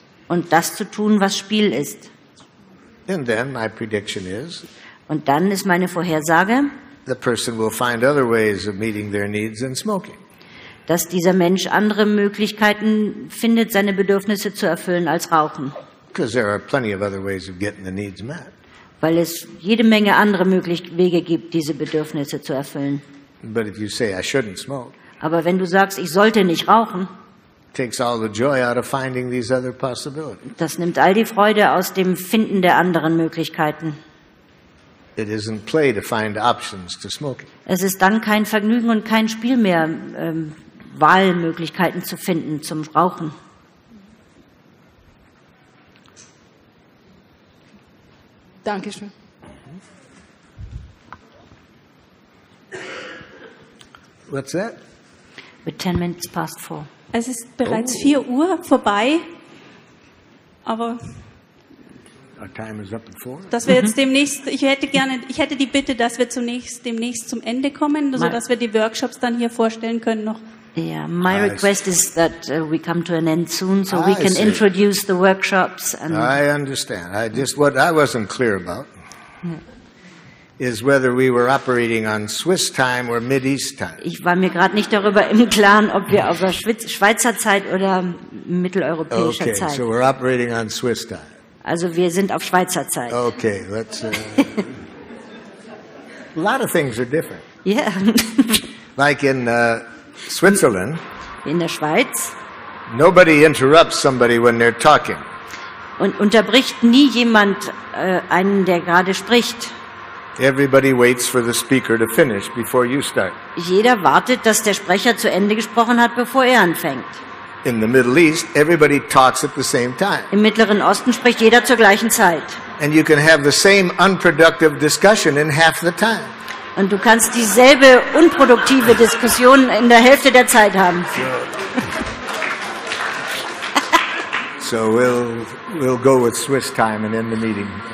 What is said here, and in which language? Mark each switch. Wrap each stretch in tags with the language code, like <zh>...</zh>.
<de>Und das zu tun, was Spiel ist.</de> <en>And then my prediction is,</en> <de>und dann ist meine Vorhersage,</de> <en>the person will find other ways of meeting their needs than smoking.</en> <de>Dass dieser Mensch andere Möglichkeiten findet, seine Bedürfnisse zu erfüllen als Rauchen.</de> <en>Because there are plenty of other ways of getting the needs met.</en> <de>Weil es jede Menge andere mögliche Wege gibt, diese Bedürfnisse zu erfüllen.</de> <en>But if you say I shouldn't smoke,</en> <de>aber wenn du sagst, ich sollte nicht rauchen,</de> <en>takes all the joy out of finding these other possibilities.</en> <de>Das nimmt all die Freude aus dem Finden der anderen Möglichkeiten.</de> <en>It isn't play to find options to smoking.</en> <de>Es ist dann kein Vergnügen und kein Spiel mehr, Wahlmöglichkeiten zu finden zum Rauchen. Dankeschön.</de> <en>What's that? We're 10 minutes past 4.</en> <de>Es ist bereits 4 Uhr vorbei, aber</de> <en>our time is up at 4.</en> <de>Dass wir jetzt demnächst, ich hätte die Bitte, dass wir demnächst zum Ende kommen, sodass wir die Workshops dann hier vorstellen können noch.</de> <en>Yeah, my request is that we come to an end soon so we can introduce the workshops. And I understand. What I wasn't clear about is whether we were operating on Swiss time or Mideast time.</en> <de>Ich war mir gerade nicht darüber im Klaren, ob wir auf der Schweizer Zeit oder mitteleuropäischer Zeit.</de> <en>Okay, so we're operating on Swiss time.</en> <de>Also wir sind auf Schweizer Zeit.</de> <en>Okay, let's... a lot of things are different. Yeah. Like in Switzerland.</en> <de>In der Schweiz.</de> <en>Nobody interrupts somebody when they're talking.</en> <de>Und unterbricht nie jemand einen, der gerade spricht.</de> <en>Everybody waits for the speaker to finish before you start.</en> <de>Jeder wartet, dass der Sprecher zu Ende gesprochen hat, bevor er anfängt.</de> <en>In the Middle East, everybody talks at the same time.</en> <de>Im Mittleren Osten spricht jeder zur gleichen Zeit.</de> <en>And you can have the same unproductive discussion in half the time.</en> <de>Und du kannst dieselbe unproduktive Diskussion in der Hälfte der Zeit haben.</de> <en>So we'll go with Swiss time and end the meeting.</en>